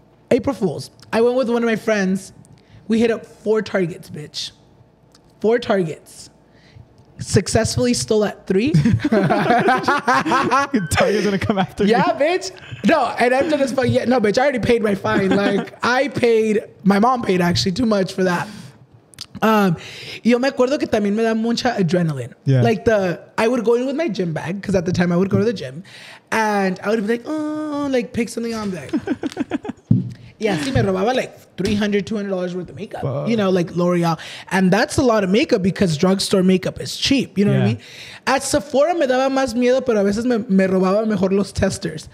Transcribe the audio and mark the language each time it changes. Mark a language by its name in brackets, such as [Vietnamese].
[English] I went with one of my friends. We hit up four Targets, bitch. Four Targets. Successfully stole at three. Target's gonna come after you. Yeah, bitch. No, and I've done this fuck. Yeah, no, bitch. I already paid my fine. Like, I paid. My mom paid actually too much for that. [Spanish] Yo me acuerdo que también me da mucha adrenaline. [English] Yeah. Like the I would go in with my gym bag because at the time I would go to the gym, and I would be like, oh, like pick something on there. Yeah, [Spanish] sí, me robaba [English] like $300-$200 worth of makeup. Whoa. You know, like L'Oreal. And that's a lot of makeup because drugstore makeup is cheap. You know what I mean? At Sephora [Spanish] me daba más miedo, pero a veces me robaba mejor los testers.